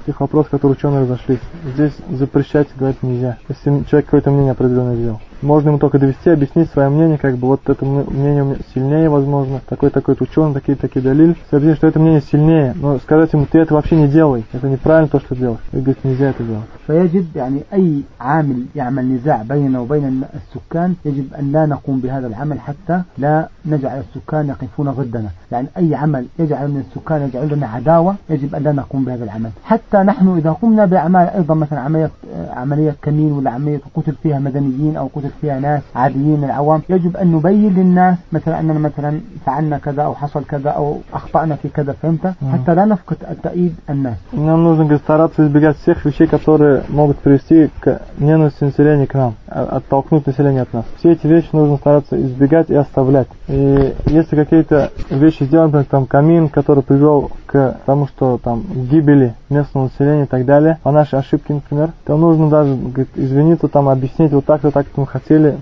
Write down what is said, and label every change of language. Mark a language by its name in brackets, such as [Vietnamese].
[Russian] Тех вопросов, которые ученые разошлись. Здесь запрещать говорить нельзя. Если человек какое-то мнение определенное сделал. Можно ему только довести, объяснить свое мнение, как бы вот это мнение сильнее, возможно, такой-такой ученый, такие-такие далили, объяснить, что это мнение сильнее, но сказать ему, ты это вообще не делай, это неправильно то, что делаешь, и говорит, нельзя это делать. [Arabic] فيجب يعني أي عامل يعمل نزاع بيننا وبين السكان يجب أن لا نقوم بهذا العمل حتى لا نجعل السكان يقفون ضدنا. يعني أي عمل يجعل من السكان يجعل لنا عداوة يجب أن لا نقوم بهذا العمل. حتى نحن إذا قمنا بأعمال أيضا مثلا عملية كمين ولا عملية قتل فيها مدنيين أو قتل فيها ناس عاديين العوام، يجب أن نبين للناس مثلا أننا مثلا فعلنا كذا أو حصل كذا أو أخطأنا في كذا، فهمت؟ حتى لا نفقد التأييد الناس. نعم نوزن قسطرات سيزبيغات سيخ في شيء كثير [Russian] могут привести к ненависти населения к нам, оттолкнуть население от нас. Все эти вещи нужно стараться избегать и оставлять. И если какие-то вещи сделаны, например, там камин, который привел к тому, что там гибели местного населения и так далее, по нашей ошибке, например, то нужно даже говорит, извиниться, там объяснить вот так-то, так-то мы хотели.